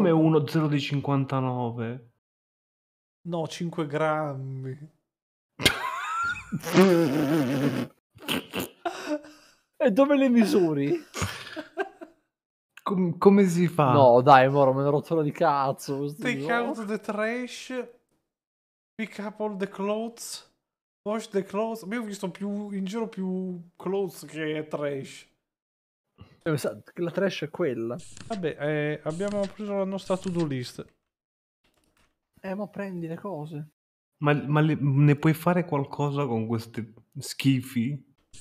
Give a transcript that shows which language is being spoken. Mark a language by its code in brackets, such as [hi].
[it] Ma come 1-0 di 59? No, 5 grammi. E dove le misuri? Come si fa? No, dai, moro, me l'ho rotto di cazzo. [en] Take out the trash, pick up all the clothes, wash the clothes. [it] Io ho visto più in giro più clothes che trash. La trash è quella. Vabbè, abbiamo preso la nostra to-do list. Ma prendi le cose. Ma ne puoi fare qualcosa con questi schifi?